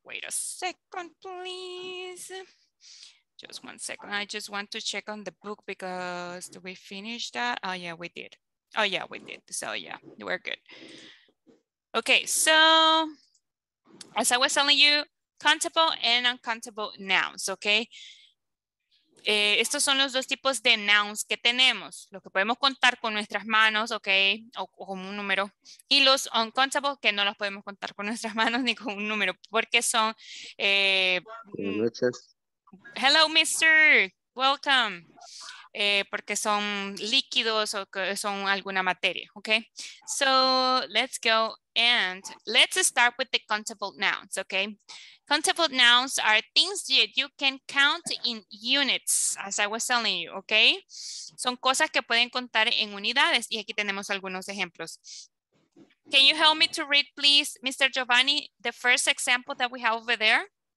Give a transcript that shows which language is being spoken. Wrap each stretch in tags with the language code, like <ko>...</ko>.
<en>Wait a second, please. Just 1 second. I just want to check on the book because did we finish that? Oh yeah, we did. Oh yeah, we did. So yeah, we're good. Okay, so as I was telling you, countable and uncountable nouns, okay?</en> <es>Estos son los dos tipos de nouns que tenemos. Lo que podemos contar con nuestras manos, ok, o con un número. Y los uncountable, que no los podemos contar con nuestras manos ni con un número, porque son...</es> <en>Hello, mister. Welcome.</en> <es>Porque son líquidos o son alguna materia, okay?</es> <en>So let's go and let's start with the countable nouns, okay? Countable nouns are things that you can count in units, as I was telling you, okay?</en> <es>Son cosas que pueden contar en unidades y aquí tenemos algunos ejemplos.</es> <en>Can you help me to read, please, Mr. Giovanni, the first example that we have over there?</en>